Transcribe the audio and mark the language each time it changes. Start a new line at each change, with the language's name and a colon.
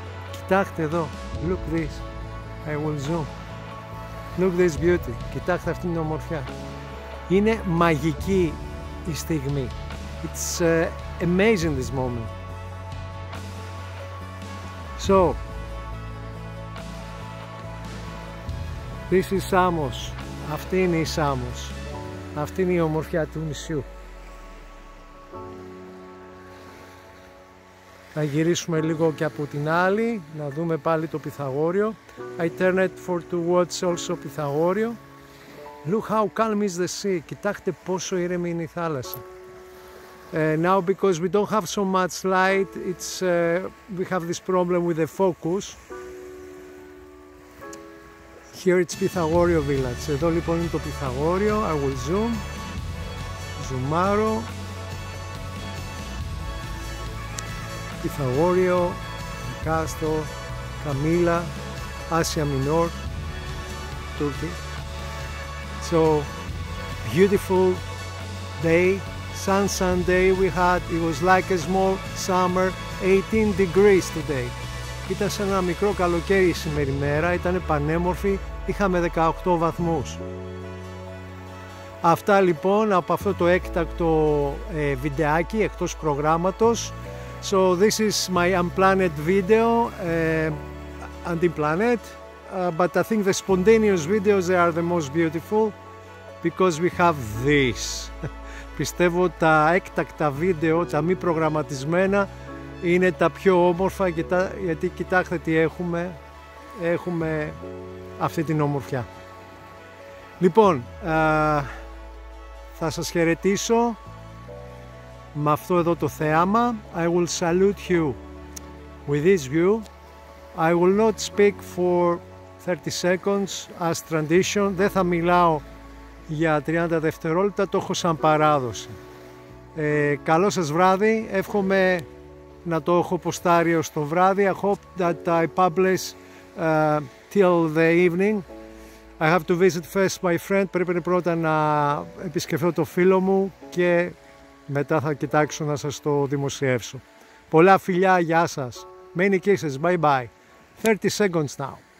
Greek: Κοιτάξτε εδώ,
English: look this, I will zoom, look this beauty,
Greek: κοιτάξτε αυτήν την ομορφιά. Είναι μαγική η στιγμή,
English: it's amazing this moment. So, this is Samos,
Greek: αυτή είναι η Samos, αυτή είναι η ομορφιά του νησιού. Να γυρίσουμε λίγο και από την άλλη, να δούμε πάλι το Πυθαγόριο.
English: I turn it for to watch also Πυθαγόριο. Look how calm is the sea.
Greek: Κοιτάξτε πόσο ήρεμη είναι η θάλασσα.
English: Now because we don't have so much light, we have this problem with the focus. Here it's Πυθαγόριο Village.
Greek: Εδώ λοιπόν είναι το Πυθαγόριο.
English: I will zoom.
Greek: Ζουμάρω. Πυθαγόριο, Κάστο, Καμίλα, Άσια Μινόρ, Τούρκη.
English: So, beautiful day, sun day we had, it was like a small summer, 18 degrees today.
Greek: Ήταν σαν ένα μικρό καλοκαίρι η σημερινή μέρα, ήταν πανέμορφη, είχαμε 18 βαθμούς. Αυτά λοιπόν από αυτό το έκτακτο βιντεάκι εκτός προγράμματος.
English: So this is my unplanned video, anti-planet, but I think the spontaneous videos they are the most beautiful because we have this.
Greek: Πιστεύω τα έκτακτα βίντεο, τα μη προγραμματισμένα, είναι τα πιο όμορφα γιατί κοιτάξτε τι έχουμε. Έχουμε αυτή την ομορφιά. Λοιπόν, θα σας χαιρετήσω. Με αυτό εδώ το θέαμα,
English: I will salute you with this view. I will not speak for 30 seconds as tradition.
Greek: Δεν θα μιλάω για 30 δευτερόλεπτα, το έχω σαν παράδοση. Καλό σας βράδυ, εύχομαι να το έχω ποστάρει ως το βράδυ.
English: I hope that I publish till the evening. I have to visit first my friend.
Greek: Πρέπει πρώτα να επισκεφθώ το φίλο μου και μετά θα κοιτάξω να σας το δημοσιεύσω. Πολλά φιλιά, γεια σας.
English: Many kisses, bye bye. 30 seconds now.